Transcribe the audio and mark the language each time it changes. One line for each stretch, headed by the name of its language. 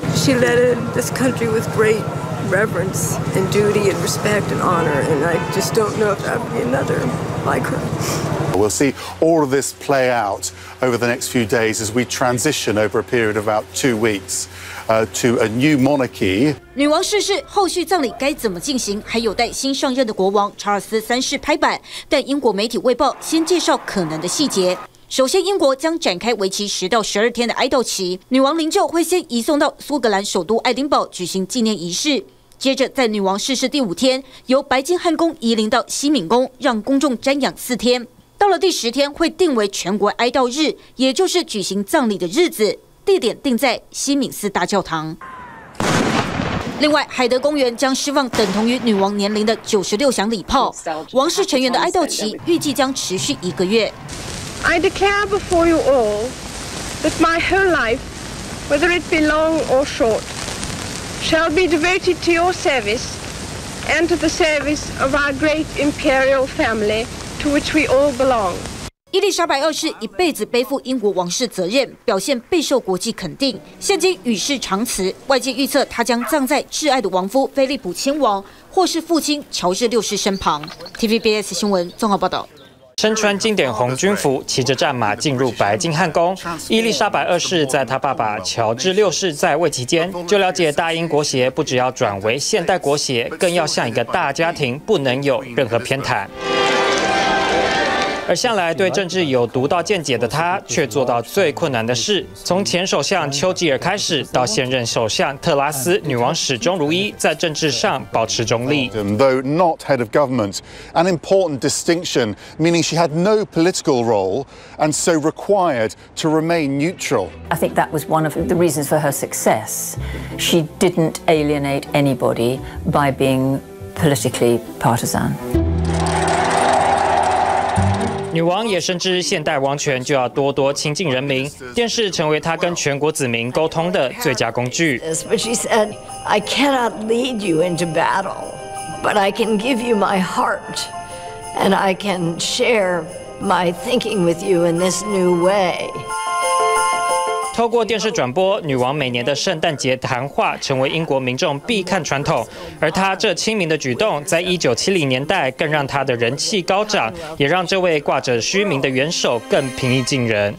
English: She led in this country with great reverence and duty and respect and honor, and I just don't know if that would be another like her. We'll see all of this play out over the next few days as we transition over a period of about 2 weeks. To a new monarchy.
Chinese: 女王逝世，后续葬礼该怎么进行，还有待新上任的国王查尔斯三世拍板。但英国媒体《卫报》先介绍可能的细节。首先，英国将展开为期10到12天的哀悼期。女王灵柩会先移送到苏格兰首都爱丁堡举行纪念仪式，接着在女王逝世第五天，由白金汉宫移灵到西敏宫，让公众瞻仰4天。到了第10天，会定为全国哀悼日，也就是举行葬礼的日子。地点定在西敏寺大教堂。另外，海德公园将释放等同于女王年龄的96响礼炮。王室成员的哀悼期预计将持续一个月。
English: I declare before you all that my whole life, whether it be long or short, shall be devoted to your service and to the service of our great imperial family to which we all belong.
Chinese: 伊丽莎白二世一辈子背负英国王室责任，表现备受国际肯定。现今与世长辞，外界预测她将葬在挚爱的亡夫菲利普亲王或是父亲乔治六世身旁。 TVBS 新闻综合报道。身穿经典红军服，骑着战马进入白金汉宫。伊丽莎白二世在她爸爸乔治六世在位期间，就了解大英国协不只要转为现代国协，更要像一个大家庭，不能有任何偏袒。而向来对政治有独到见解的他，却做到最困难的事。从前首相丘吉尔开始，到现任首相特拉斯，女王始终如一，在政治上保持中立。
English: Though not head of government, an important distinction, meaning she had no political role, and so required to remain neutral. I think that was one of the reasons for her success. She didn't alienate anybody by being politically partisan.
Chinese: 女王也深知现代王权就要多多亲近人民，电视成为她跟全国子民沟通的最佳工具。
English: She said, "I cannot lead you into battle, but I can give you my heart, and I can share my thinking with you in this new way."
Chinese: 透过电视转播，女王每年的圣诞节谈话成为英国民众必看传统。而她这亲民的举动，在1970年代更让她的人气高涨，也让这位挂着虚名的元首更平易近人。